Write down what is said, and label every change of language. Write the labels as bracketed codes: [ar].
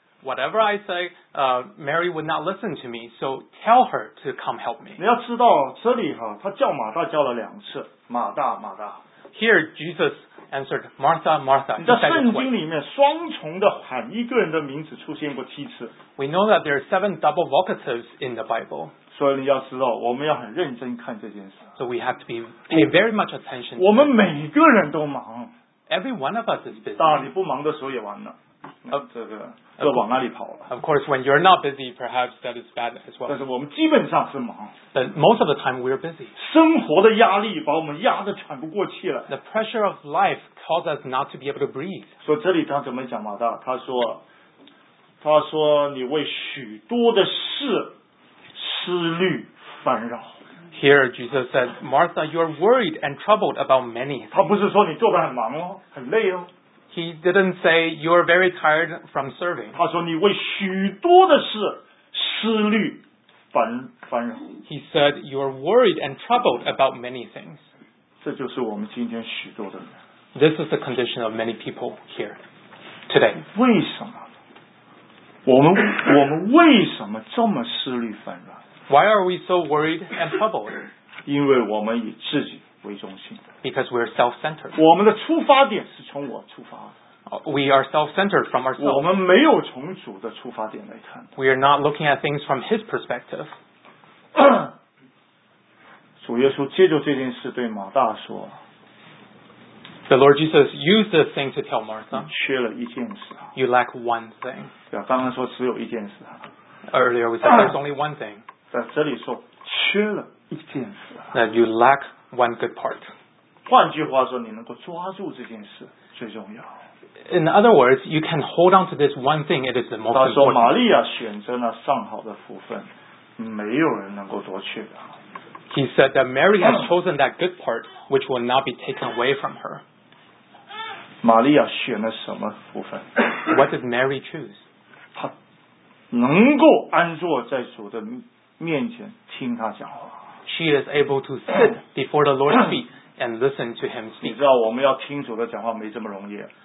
[en] Whatever I say, Mary would not listen to me, so tell her to come help me. [zh] 你要知道这里哈，他叫马大叫了两次，马大马大。 [en] Here Jesus answered Martha, Martha. [zh] 你在圣经里面双重的喊一个人的名字出现过七次。 [en] We know that there are seven double vocatives in the Bible. [zh] 所以你要知道，我们要很认真看这件事。 [en] So we have to be pay very much attention. [zh] 我们每个人都忙。 [en] Every one of us is busy. [zh] 当然你不忙的时候也完了。这往哪里跑了 [en] ？Of course, when you're not busy, perhaps that is bad as well. [zh] 但是我们基本上是忙。 [en] But most of the time we're busy. [zh] 生活的压力把我们压得喘不过气了。 [en] The pressure of life causes us not to be able to breathe. [zh] 所以这里他怎么讲马大？他说你为许多的事思虑烦扰。 [en] Here Jesus said, Martha, you are worried and troubled about many. [zh] 他不是说你做得很忙哦，很累哦。 [en] He didn't say you're very tired from serving. [zh] 他说你为许多的事思虑烦扰。 [en] He said you're worried and troubled about many things. [zh] 这就是我们今天许多的人。 [en] This is the condition of many people here today. [zh] 为什么？我们为什么这么思虑烦扰？ [en] Why are we so worried and troubled? [zh] 因为我们以自己。为中心 [en] Because we're self-centered. [zh] 我们的出发点是从我出发的。 [en] We are self-centered from ourselves. [zh] 我们没有从主的出发点来看。 [en] We are not looking at things from His perspective. [zh] 主耶稣借着这件事对马大说 [en] The Lord Jesus used this thing to tell Martha. [zh] 你缺了一件事。 [en] You lack one thing. [zh] 对，刚刚说只有一件事。 [en] Earlier we said there's only one thing. [zh] 在这里说缺了一件事。 [en] That you lack One good part. [zh] 换句话说，你能够抓住这件事最重要。 [en] In other words, you can hold on to this one thing. It is the most important. [zh] 他说，玛利亚选择了上好的福分，没有人能够夺去的。 [en] He said that Mary has chosen that good part, which will not be taken away from her. [zh] 玛利亚选了什么福分？ [en] What did Mary choose? [zh] 她能够安坐在主的面前听他讲话。 [en] She is able to sit before the Lord's feet and listen to Him speak. [zh] 你知道我们要听主的讲话没这么容易。